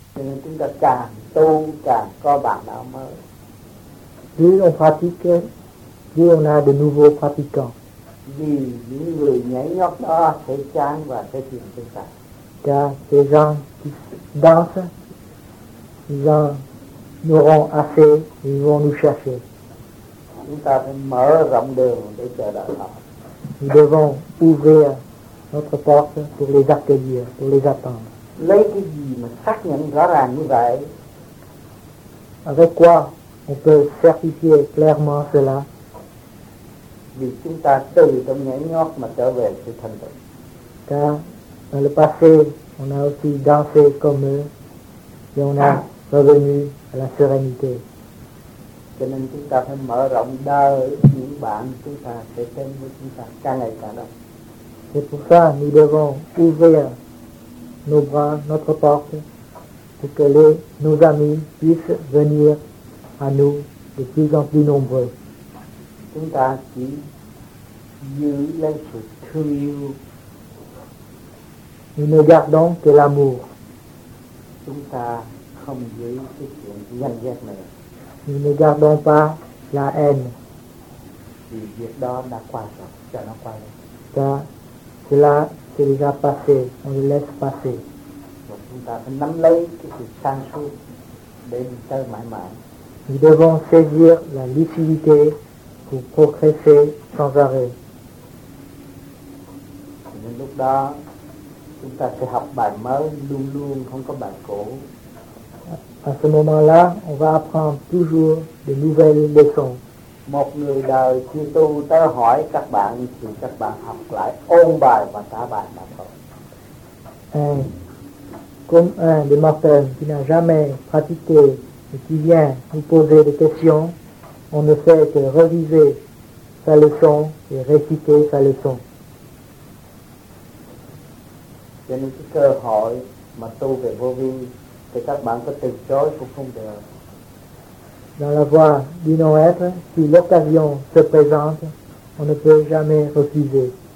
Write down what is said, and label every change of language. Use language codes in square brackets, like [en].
[vi] cho nên chúng ta càng tu càng có bản đạo mới. Vì ông pratique, vì ông là [fr] de nouveau pratiquant. [vi] Vì những người nhảy nhót đó sẽ chán và sẽ thiền tinh tạng. [fr] Car ces gens qui dansent, ils en auront assez, ils vont nous chercher. [vi] Chúng ta phải mở rộng đường để chờ đợi họ. [fr] Nous devons ouvrir notre porte pour les accueillir, pour les attendre. [vi] Lấy cái gì mà xác nhận rõ ràng như vậy? [fr] Avec quoi on peut certifier clairement cela? [vi] Vì chúng ta từ trong nhảy nhót mà trở về sự thành tựu. [fr] Car dans le passé, on a aussi dansé comme eux et on a revenu à la sérénité. [vi] Cho nên chúng ta phải mở rộng đời những bạn chúng ta sẽ thêm với chúng ta càng ngày càng đông. [fr] C'est pour ça nous devons ouvrir nos bras, notre porte, pour que les, nos amis puissent venir à nous de plus en plus nombreux. [vi] Chúng ta chỉ giữ lấy sự thương yêu. [fr] Nous ne gardons que l'amour. [vi] Chúng ta không giữ cái chuyện ganh ghét này. [fr] Nous ne gardons pas la haine. [vi] Vì việc đó đã qua rồi, cho nó qua rồi. [fr] Car cela s'est déjà passé, on le laisse passer. [vi] Và chúng ta phải nắm lấy cái sự sáng suốt để đi tới mãi mãi. [fr] Nous devons saisir la lucidité pour progresser sans arrêt. [vi] Nên lúc đó, chúng ta sẽ học bài mới luôn luôn, không có bài cũ. [fr] À ce moment-là, on va apprendre toujours de nouvelles leçons. [vi] Một người đời khi tu tới hỏi các bạn thì các bạn học lại ôn bài và trả bài mà thôi. [fr] Comme un des mortels qui n'a jamais pratiqué et qui vient nous poser des questions, on ne fait que reviser sa leçon et réciter sa leçon. [vi] Cho nên cái cơ hội mà tu về vô vi thì các bạn có từ chối cũng không được. [fr] Dans la voie du non-être, si l'occasion se présente, on ne peut jamais refuser.